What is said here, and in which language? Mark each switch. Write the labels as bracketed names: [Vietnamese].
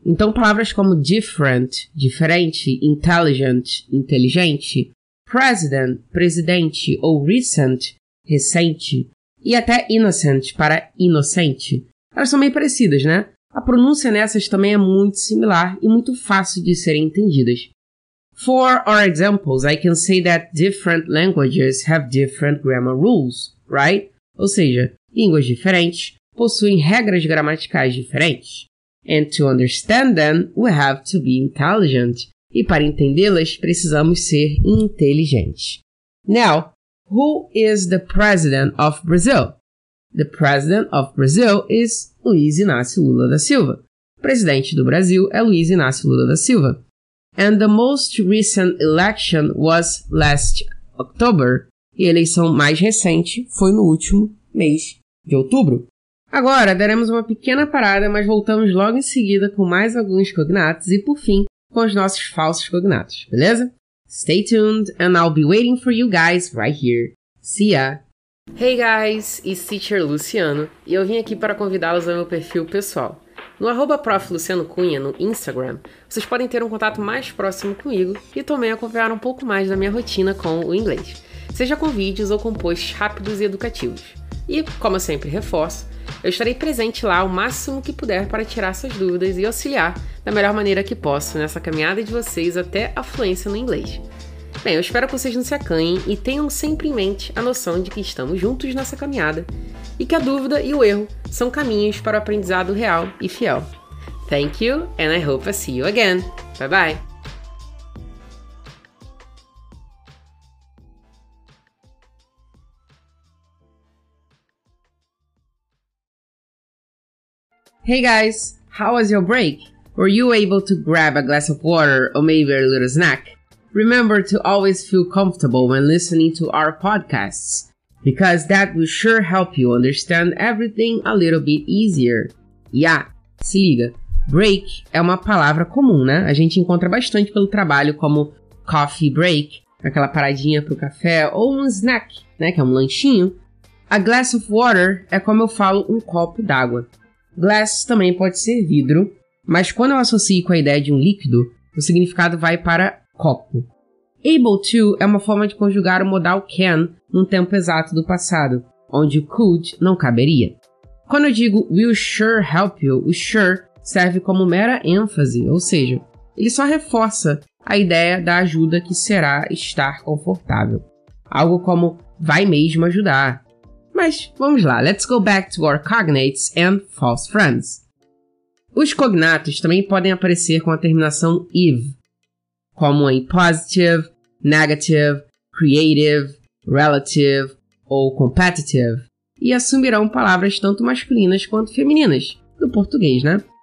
[Portuguese] Então, palavras como different, diferente, intelligent, inteligente, president, presidente, ou recent, recente, e até innocent para inocente. Elas são meio parecidas, né? A pronúncia nessas também é muito similar e muito fácil de serem entendidas. [English] For our examples, I can say that different languages have different grammar rules, right? [Portuguese] Ou seja, línguas diferentes possuem regras gramaticais diferentes. [English] And to understand them, we have to be intelligent. [Portuguese] E para entendê-las, precisamos ser inteligentes. [English] Now, who is the president of Brazil? The president of Brazil is Luiz Inácio Lula da Silva. [Portuguese] O presidente do Brasil é Luiz Inácio Lula da Silva. [English] And the most recent election was last October. [Portuguese] E a eleição mais recente foi no último mês de outubro. Agora, daremos uma pequena parada, mas voltamos logo em seguida com mais alguns cognatos e, por fim, com os nossos falsos cognatos, beleza? [English] Stay tuned and I'll be waiting for you guys right here. See ya! Hey guys, it's teacher Luciano [Portuguese] e eu vim aqui para convidá-los ao meu perfil pessoal. No @prof.lucianocunha no Instagram, vocês podem ter um contato mais próximo comigo e também acompanhar um pouco mais da minha rotina com o inglês. Seja com vídeos ou com posts rápidos e educativos. E, como eu sempre reforço, eu estarei presente lá o máximo que puder para tirar suas dúvidas e auxiliar da melhor maneira que posso nessa caminhada de vocês até a fluência no inglês. Bem, eu espero que vocês não se acanhem e tenham sempre em mente a noção de que estamos juntos nessa caminhada e que a dúvida e o erro são caminhos para o aprendizado real e fiel. [English] Thank you and I hope I see you again. Bye bye! Hey guys, how was your break? Were you able to grab a glass of water or maybe a little snack? Remember to always feel comfortable when listening to our podcasts, because that will sure help you understand everything a little bit easier. [Portuguese] Yeah, se liga, break é uma palavra comum, né? A gente encontra bastante pelo trabalho como coffee break, aquela paradinha pro café, ou um snack, né, que é um lanchinho. A glass of water é como eu falo um copo d'água. Glass também pode ser vidro, mas quando eu associo com a ideia de um líquido, o significado vai para copo. Able to é uma forma de conjugar o modal can num tempo exato do passado, onde o could não caberia. Quando eu digo will sure help you, o sure serve como mera ênfase, ou seja, ele só reforça a ideia da ajuda que será estar confortável. Algo como, vai mesmo ajudar. Mas vamos lá, [English] let's go back to our cognates and false friends. [Portuguese] Os cognatos também podem aparecer com a terminação -iv, como em positive, negative, creative, relative ou competitive, e assumirão palavras tanto masculinas quanto femininas, do português, né?